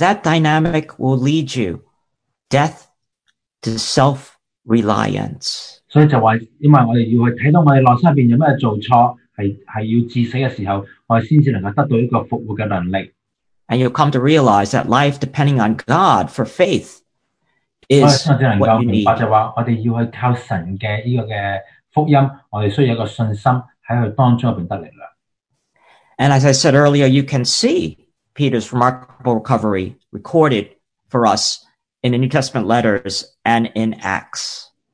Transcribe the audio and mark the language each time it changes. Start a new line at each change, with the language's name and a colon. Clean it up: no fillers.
English: that dynamic will lead you death to self-reliance.
Chinese: 所以就说，因为我们要去看到我们内心里面有什么做错，是要致死的时候，我们才能够得到一个复活的能力。
English: And you'll come to realize that life depending on God for faith is what you need.
Chinese: 我们才能够明白，就是说我们要去靠神的这个福音，我们需要一个信心在当中里面得力量。
English: And as I said earlier, you can see Peter's remarkable recovery recorded for us in the New Testament letters and in Acts.